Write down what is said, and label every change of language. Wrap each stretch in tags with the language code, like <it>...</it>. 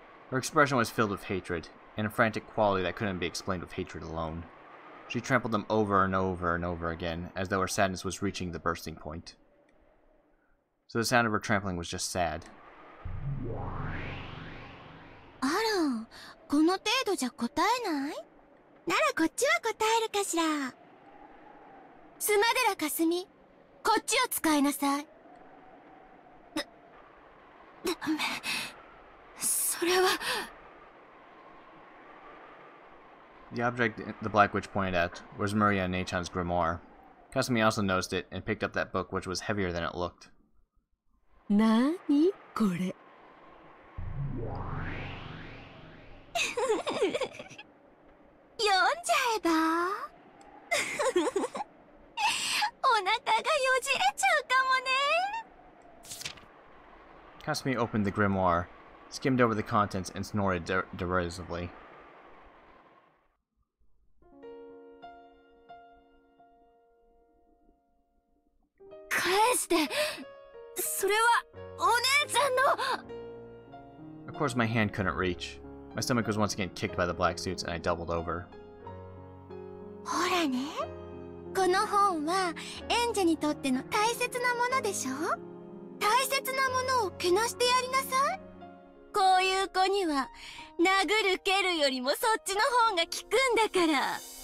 <en>Her expression was filled with hatred, and a frantic quality that couldn't be explained with hatred alone. She trampled them over and over and over again, as though her sadness was reaching the bursting point. So the sound of her trampling was just sad. Ara!</en> <ja>この程度じゃ答えない？ならこっちは答えるかしら。スマデラカスミ、こっちを使いなさい。ダメ。それは。</ja> <en>The object the Black Witch pointed at was Maria Nechan's grimoire. Kasumi also noticed it and picked up that book, which was heavier than it looked.</en> <ja>なーにこれ。読んじゃえば。お腹がよじれちゃうかもね。</ja> <en>Kasumi opened the grimoire, skimmed over the contents, and snorted derisively.</en> <ja>Kaeshite! それはお姉ちゃんの。</ja> <en>Of course, my hand couldn't reach. My stomach was once again kicked by the black suits, and I doubled over.</en> <ja>ほらね、この本は、演者にとっての大切なものでしょ？大切なものをけなしてやりなさい。こういう子には、殴る蹴るよりもそっちの方が効くんだから。</ja>